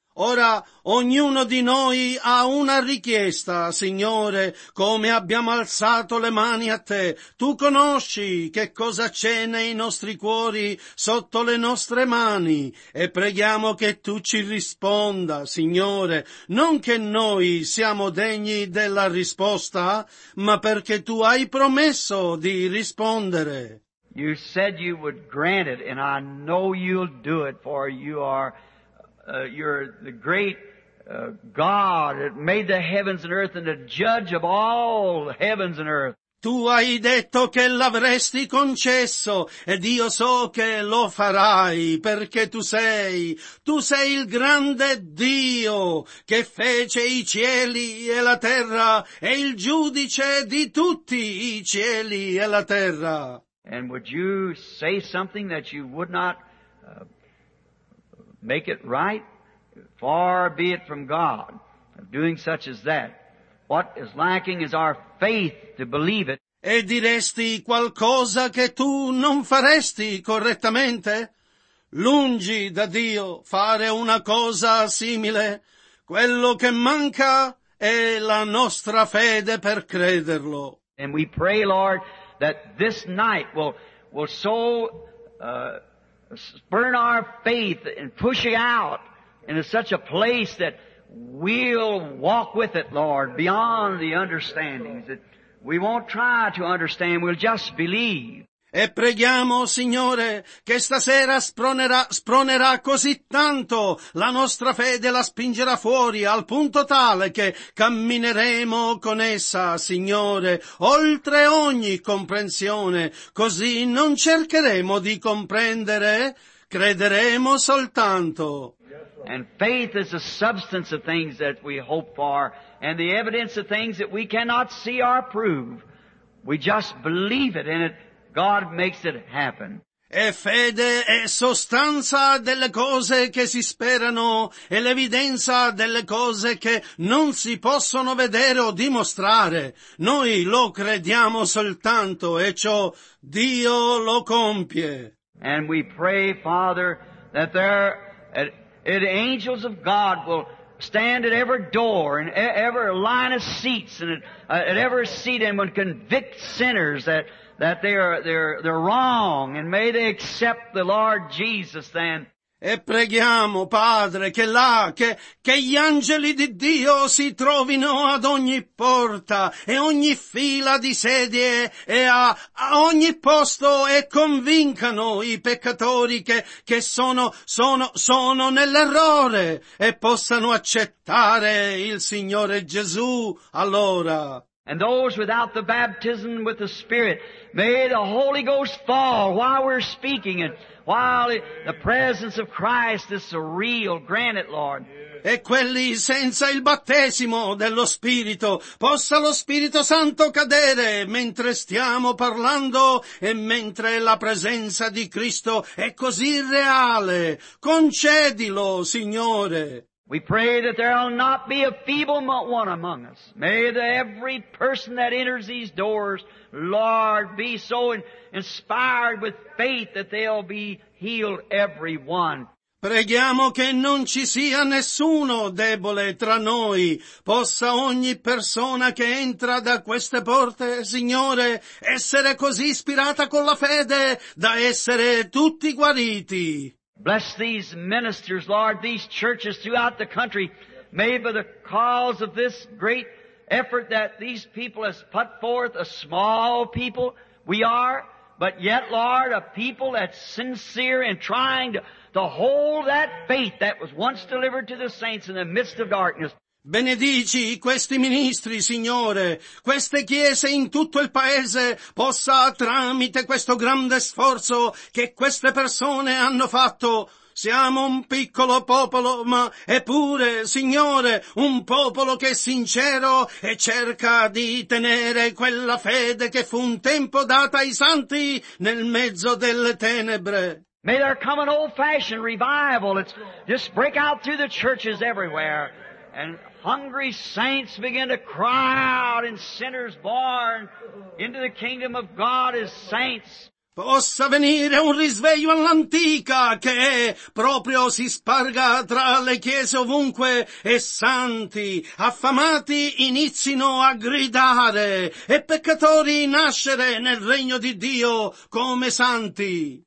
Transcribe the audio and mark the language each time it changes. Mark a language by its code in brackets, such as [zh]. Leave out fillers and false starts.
[it] Ora, ognuno di noi ha una richiesta, Signore, come abbiamo alzato le mani a Te. Tu conosci che cosa c'è nei nostri cuori, sotto le nostre mani, e preghiamo che Tu ci risponda, Signore, non che noi siamo degni della risposta, ma perché Tu hai promesso di rispondere. [en] You said You would grant it, and I know You'll do it, for You are... You're the great God that made the heavens and earth and the judge of all heavens and earth. [it] Tu hai detto che l'avresti concesso, ed io so che lo farai, perché tu sei il grande Dio che fece i cieli e la terra, e il giudice di tutti i cieli e la terra. [en] And would you say something that you would not make it right? Far be it from God of doing such as that. What is lacking is our faith to believe it. [it] E diresti qualcosa che tu non faresti correttamente? Lungi da Dio fare una cosa simile. Quello che manca è la nostra fede per crederlo. [en] And we pray, Lord, that this night will so... Spurn our faith and push it out into such a place that we'll walk with it, Lord, beyond the understandings, that we won't try to understand, we'll just believe. [it] E preghiamo, Signore, che stasera spronerà così tanto, la nostra fede la spingerà fuori al punto tale che cammineremo con essa, Signore, oltre ogni comprensione, così non cercheremo di comprendere, crederemo soltanto. [en] And faith is the substance of things that we hope for, and the evidence of things that we cannot see or prove. We just believe it, and it God makes it happen. [it] E fede è sostanza delle cose che si sperano e l'evidenza delle cose che non si possono vedere o dimostrare. Noi lo crediamo soltanto e ciò Dio lo compie. [en] And we pray, Father, that there that angels of God will stand at every door and every line of seats and at every seat and will convict sinners that they're wrong, and may they accept the Lord Jesus then. [it] E preghiamo, Padre, che gli angeli di Dio si trovino ad ogni porta e ogni fila di sedie e a ogni posto e convincano i peccatori che sono nell'errore e possano accettare il Signore Gesù allora. [en] And those without the baptism with the Spirit, may the Holy Ghost fall while we're speaking and while the presence of Christ is real. Grant it, Lord. [it] E quelli senza il battesimo dello Spirito, possa lo Spirito Santo cadere mentre stiamo parlando e mentre la presenza di Cristo è così reale. Concedilo, Signore. [en] We pray that there will not be a feeble one among us. May every person that enters these doors, Lord, be so inspired with faith that they'll be healed, every one. [it] Preghiamo che non ci sia nessuno debole tra noi. Possa ogni persona che entra da queste porte, Signore, essere così ispirata con la fede da essere tutti guariti. [en] Bless these ministers, Lord, these churches throughout the country. May by the cause of this great effort that these people has put forth, a small people we are, But yet, Lord, a people that's sincere and trying to hold that faith that was once delivered to the saints in the midst of darkness. [it] Benedici questi ministri, Signore, queste chiese in tutto il paese possa, tramite questo grande sforzo che queste persone hanno fatto, siamo un piccolo popolo, ma eppure, Signore, un popolo che è sincero e cerca di tenere quella fede che fu un tempo data ai santi nel mezzo delle tenebre. [en] May there come an old-fashioned revival. It's just break out through the churches everywhere. And hungry saints begin to cry out and sinners born into the kingdom of God as saints. [it] Possa venire un risveglio all'antica che proprio si sparga tra le chiese ovunque e santi, affamati inizino a gridare e peccatori nascere nel regno di Dio come santi.